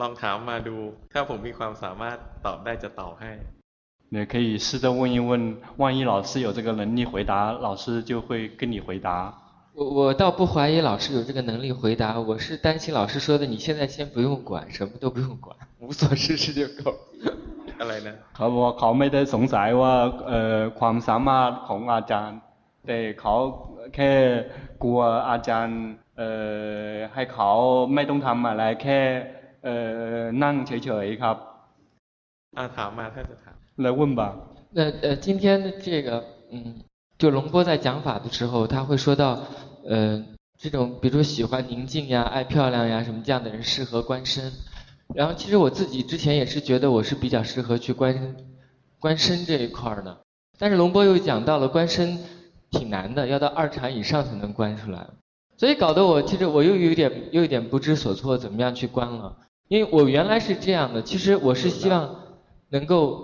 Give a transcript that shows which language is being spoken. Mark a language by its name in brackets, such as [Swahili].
[Thai] ลองถามมาดูถ้าผมมีความสามารถตอบได้จะตอบให้。 [Chinese] 你可以试着问一问，万一老师有这个能力回答，老师就会跟你回答。我倒不怀疑老师有这个能力回答，我是担心老师说的你现在先不用管，什么都不用管，无所事事就够。 [Thai] อะไรนะ เขาบอกว่าเขาไม่ได้สงสัยว่าความสามารถของอาจารย์แต่เขา แค่กลัวอาจารย์ให้เขาไม่ต้องทำอะไรแค่นั่งเฉยๆครับ ถามมาถ้าจะถาม [Chinese] 来问吧那今天这个就龙波在讲法的时候他会说到这种比如说喜欢宁静呀爱漂亮呀什么这样的人适合观身然后其实我自己之前也是觉得我是比较适合去观身这一块呢但是龙波又讲到了观身挺难的要到二禅以上才能观出来所以搞得我其实我又有点不知所措怎么样去观了因为我原来是这样的其实我是希望能够